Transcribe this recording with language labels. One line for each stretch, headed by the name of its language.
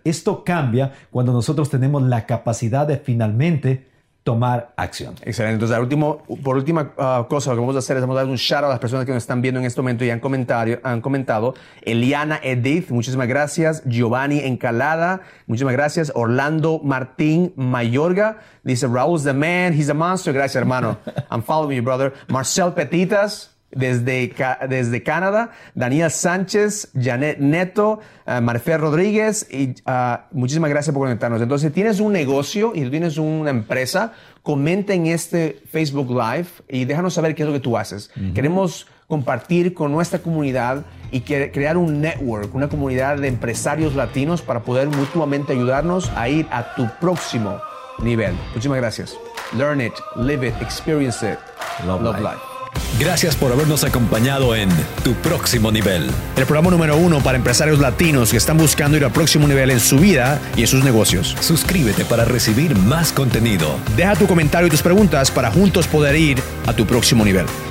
Spanish: Esto cambia cuando nosotros tenemos la capacidad de finalmente tomar acción. Excelente. Entonces, por última cosa, lo que vamos a hacer es vamos a dar un shout out a las personas que nos están viendo en este momento y han comentado. Eliana Edith, muchísimas gracias. Giovanni Encalada, muchísimas gracias.
English: Orlando Martín Mayorga, dice, Raúl's the man, he's a monster.
Spanish: Gracias, hermano.
English: I'm following you, brother.
Spanish: Marcel Petitas, desde Canadá, Daniel Sánchez, Janet Neto, Marfer Rodríguez, y muchísimas gracias por conectarnos. Entonces, si tienes un negocio y tienes una empresa, comenta en este Facebook Live y déjanos saber qué es lo que tú haces. Uh-huh. Queremos compartir con nuestra comunidad y crear un network, una comunidad de empresarios latinos para poder mutuamente ayudarnos a ir a tu próximo nivel. Muchísimas gracias.
English: Learn it, live it, experience it. Love life.
Spanish: Gracias por habernos acompañado en Tu Próximo Nivel. El programa número 1 para empresarios latinos que están buscando ir al próximo nivel en su vida y en sus negocios. Suscríbete para recibir más contenido. Deja tu comentario y tus preguntas para juntos poder ir a tu próximo nivel.